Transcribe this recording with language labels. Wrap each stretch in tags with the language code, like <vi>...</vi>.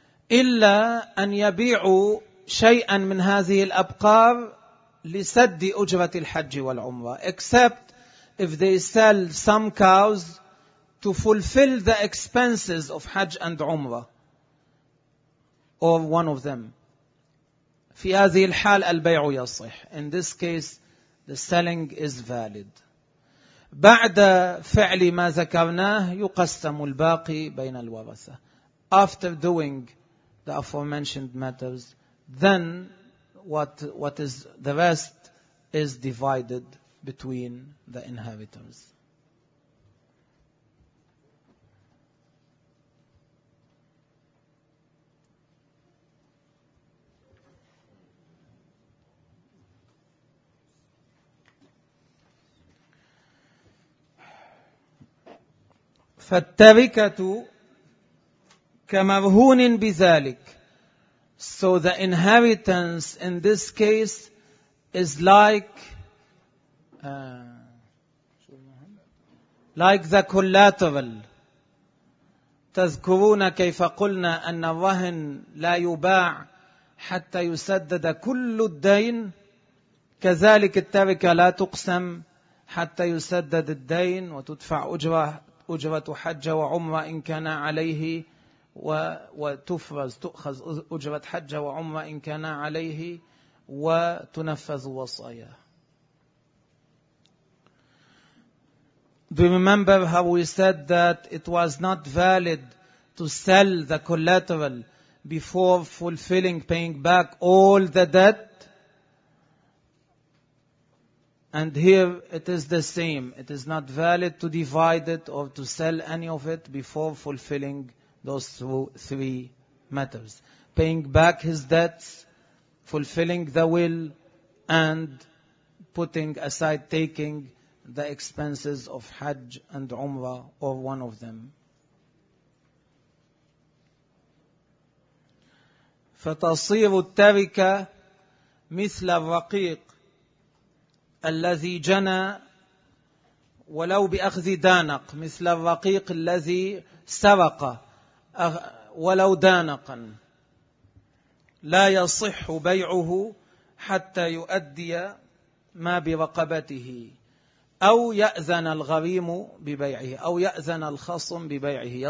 <ar>إلا أن يبيعوا شيئا من هذه الأبقار لسد أجرة الحج والعمرة.</ar> <en>Except if they sell some cows to fulfill the expenses of Hajj and Umrah, or one of them.</en> <ar>في هذه الحال البيع يصح.</ar> <en>In this case, the selling is valid.</en> <ar>بعد فعل ما ذكرناه يقسم الباقي بين الورثة.</ar> <en>After doing the aforementioned matters, then what is the rest is divided between the inheritors.</en> <ar>فالتركة كمرهون بذلك.</ar> <en>So the inheritance in this case is like the collateral.</en> <ar>تذكرون كيف قلنا أن الرهن لا يباع حتى يسدد كل الدين. كذلك التركة لا تقسم حتى يسدد الدين وتدفع أجرة حج وعمرة إن كان عليه وتفرز تؤخذ أجرة حج وعمرة إن كان عليه وتنفذ وصايا.</ar> <en>Do you remember how we said that it was not valid to sell the collateral before fulfilling, paying back all the debt? And here it is the same. It is not valid to divide it or to sell any of it before fulfilling those three matters. Paying back his debts, fulfilling the will, and putting aside, taking the expenses of Hajj and Umrah or one of them.</en> <ar>فتصير التركة مثل الرقيق الذي جنى ولو بأخذ دانق, مثل الرقيق الذي سرق ولو دانقا, لا يصح بيعه حتى يؤدي ما برقبته أو يأذن الغريم ببيعه أو يأذن الخصم ببيعه.</ar>